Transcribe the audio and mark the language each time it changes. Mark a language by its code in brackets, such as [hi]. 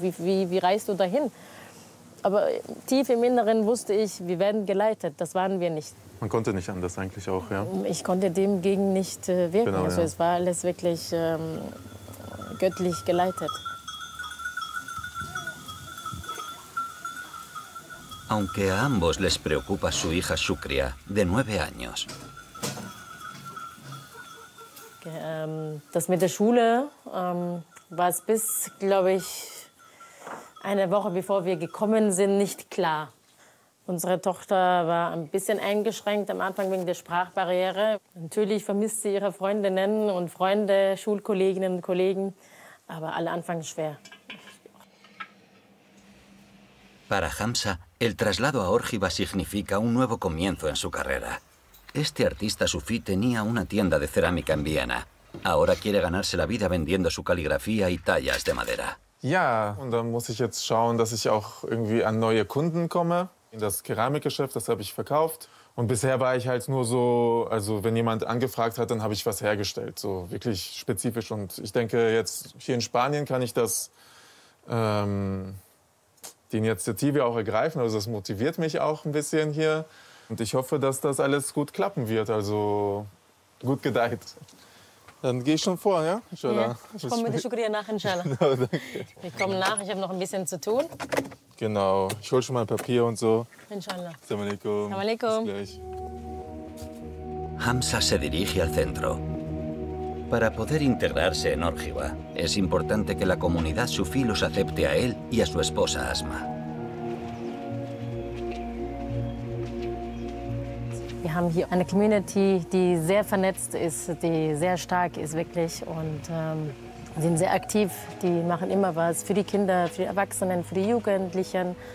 [de] Wie reist du dahin? Aber tief im Inneren wusste ich, wir werden geleitet. Das waren wir nicht. Man konnte nicht anders eigentlich auch, ja? Ich konnte dem gegen nicht wirken. Genau, also, ja. Es war alles wirklich göttlich geleitet. [es] Aunque a ambos les preocupa su hija Shukria, de 9 años. [de] Das mit der Schule war es bis, glaube ich, eine Woche bevor wir gekommen sind, nicht klar. Unsere Tochter war ein bisschen eingeschränkt am Anfang wegen der Sprachbarriere. Natürlich vermisst sie ihre Freundinnen und Freunde, Schulkolleginnen und Kollegen, aber alle anfangen schwer. [es] Para Hamza, el traslado a Órgiva significa un nuevo comienzo en su carrera. Este artista sufí tenía una tienda de cerámica en Viena. Ahora quiere ganarse la vida vendiendo su caligrafía y tallas de madera. [de] Ja, und dann muss ich jetzt schauen, dass ich auch irgendwie an neue Kunden komme. In das Keramikgeschäft, das habe ich verkauft. Und bisher war ich halt nur so, also wenn jemand angefragt hat, dann habe ich was hergestellt. So wirklich spezifisch. Und ich denke, jetzt hier in Spanien kann ich das die Initiative auch ergreifen, also das motiviert mich auch ein bisschen hier. Und ich hoffe, dass das alles gut klappen wird, also gut gedeiht. Dann gehe ich schon vor, ja? Inshallah. Ich komme mit der Shukria nach, inshallah. Genau, danke. Ich komme nach, ich habe noch ein bisschen zu tun. Genau, ich hole schon mal ein Papier und so. [ar] Inshallah. Assalamu alaikum. Assalamu alaikum. [de] Bis gleich. [es] Hamza se dirige al centro. Para poder integrarse en Órgiva, es importante que la comunidad sufí los acepte a él y a su esposa Asma. [de] Wir haben hier eine Community, die sehr vernetzt ist, die sehr stark ist wirklich und sind sehr aktiv. Die machen immer was für die Kinder, für die Erwachsenen, für die Jugendlichen.